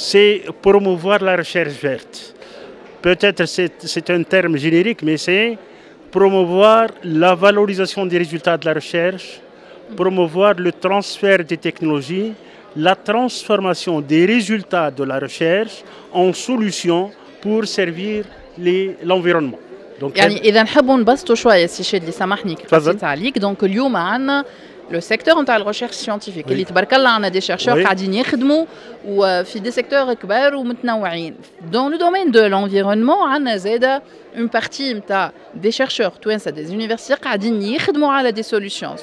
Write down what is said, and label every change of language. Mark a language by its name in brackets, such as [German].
[French] c'est promouvoir la recherche verte. Peut-être c'est un terme générique, mais c'est promouvoir la valorisation des résultats de la recherche, promouvoir le transfert des technologies, la transformation des résultats de la recherche en solutions pour servir l'environnement. Donc, yani, elle... [Arabic] إذا نحبوا نبسطوا شوية سي شادلي سامحني قصيت عليك. [French] Donc [Arabic] اليوم عندنا [French] le secteur en termes de recherche scientifique. Oui. Il y a tabarak Allah, on a des chercheurs qui travaillent et dans des secteurs grands et [Arabic] متنوعين. [French] Dans le domaine de l'environnement, on a zada une partie nta des chercheurs twins des universités qui travaillent et travaillent sur des solutions.